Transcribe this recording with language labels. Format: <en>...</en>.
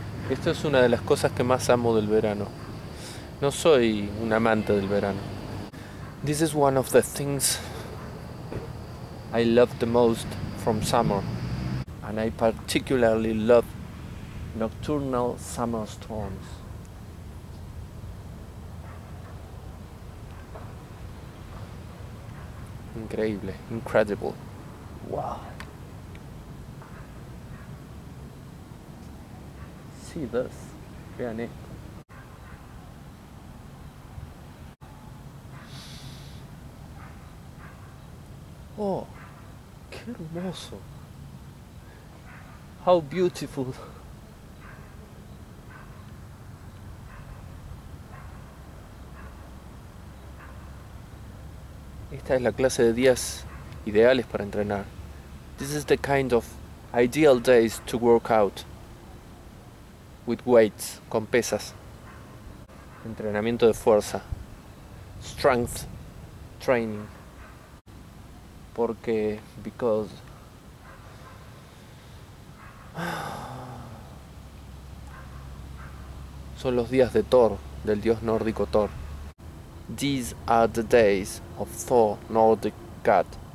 <es>Esto es una de las cosas que más amo del verano. No soy un amante del verano.</es> <en>This is one of the things I love the most from summer. And I particularly love nocturnal summer storms.</en> <es>Increíble,</es> <en>incredible. Wow.</en> <es>Sí, dos. Vean esto. Oh, qué hermoso.</es> <en>How beautiful.</en> <es>Esta es la clase de días ideales para entrenar.</es> <en>This is the kind of ideal days to work out. With weights,</en> <es>con pesas. Entrenamiento de fuerza.</es> <en>Strength training.</en> <es>Porque,</es> <en>because.</en> <es>Son los días de Thor, del dios nórdico Thor.</es> <en>These are the days of Thor, Nordic God.</en>